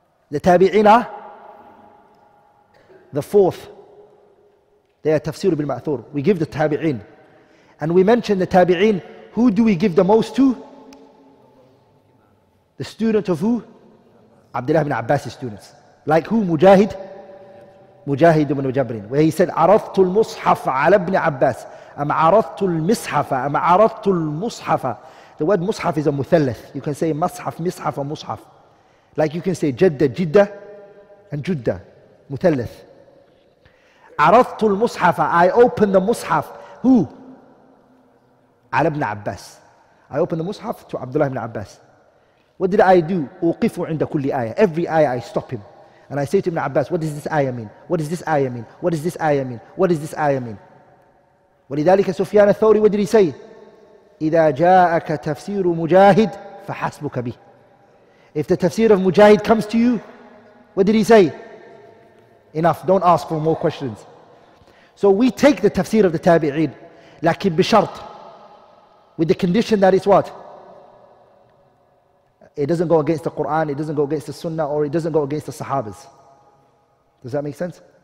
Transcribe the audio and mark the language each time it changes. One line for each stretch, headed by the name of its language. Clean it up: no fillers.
English: The tabi'in are the fourth. They are tafsir bil ma'thur. We give the tabi'in. And we mention the tabi'in, who do we give the most to? The student of who? Abdullah ibn Abbas' students. Like who? Mujahid? Mujahid ibn Jabrin. Where he said,
Arabic: عَرَضْتُ الْمُصْحَفَ عَلَى ابْنِ عَبَّاسِ أَمْ عَرَضْتُ الْمِصْحَفَ أَمْ عَرَضْتُ الْمُصْحَفَ.
English: The word mushaf is a muthallath. You can say mushaf, mishaf, or mushaf. Like you can say jadda, jidda, and judda. Muthallath.
Arabic: عَرَضْتُ الْمُصْحَفَ
English: I open the mushaf. Who?
Arabic: عَلَى ابْنِ عَبَّاسِ
English: I open the mushaf to Abdullah ibn Abbas. What did I do?
Arabic: أُوقِفُ عِنْدَ كُلِّ آيَةِ
English: Every ayah I stop him. And I say to Ibn Abbas, what does this ayah mean? What does this ayah mean? What does this ayah mean? What does this ayah mean?
Arabic: ولذلك
English: سفيان الثوري, what did he say?
Arabic: إذا جاءك تفسير مجاهد فحسبك به.
English: If the tafsir of Mujahid comes to you, what did he say? Enough, don't ask for more questions. So we take the tafsir of the tabi'in,
Arabic: لكن بشرط,
English: with the condition that it's what? It doesn't go against the Quran, it doesn't go against the Sunnah, or it doesn't go against the Sahabas. Does that make sense?